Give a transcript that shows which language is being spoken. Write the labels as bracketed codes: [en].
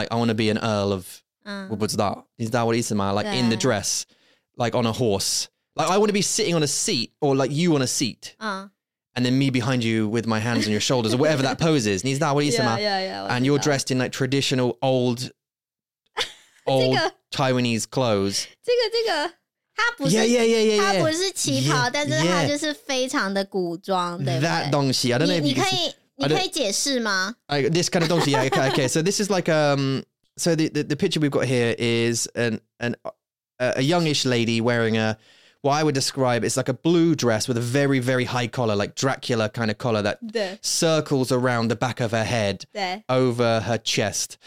[en] Like I want to be an Earl of, what's that? Is that what he's saying? Like in the dress, like on a horse. Like I want to be sitting on a seat or like you on a seat. And then me behind you with my hands on your shoulders or whatever that pose is. Is that what he's saying? Yeah. And you're dressed in like traditional old 这个, Taiwanese clothes. [zh] 这个它不是 [en] yeah. [zh] 它不是旗袍 但是它就是非常的古装 [en] That 东西 I don't know if you can see [zh] 你可以解释吗 [en] This kind of 东西 yeah, okay. So this is like so the picture we've got here is a youngish lady wearing a what I would describe is like a blue dress with a very, very high collar, like Dracula kind of collar that circles around the back of her head over her chest.